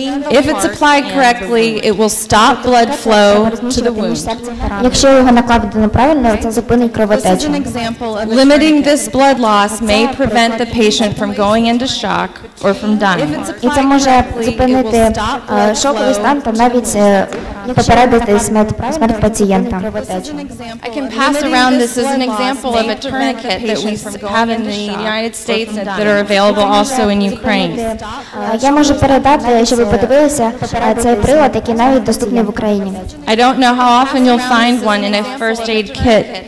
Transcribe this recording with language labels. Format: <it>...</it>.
<en>If it's applied correctly, it will stop blood flow to the wound.</en> <uk>Якщо його накладено правильно, це зупинить кровотечу.</uk> <en>Limiting this blood loss may prevent the patient from going into shock or from dying.</en> <uk>І це може зупинити шоковий стан та навіть попередити смерть пацієнта.</uk> <en>I can pass around this as an example of a tourniquet that we have in the United States that are available also in Ukraine.</en> <uk>Я можу передати, щоб ви подивилися, цей прилад, який навіть доступний в Україні.</uk> <en>I don't know how often you'll find one in a first aid kit.</en>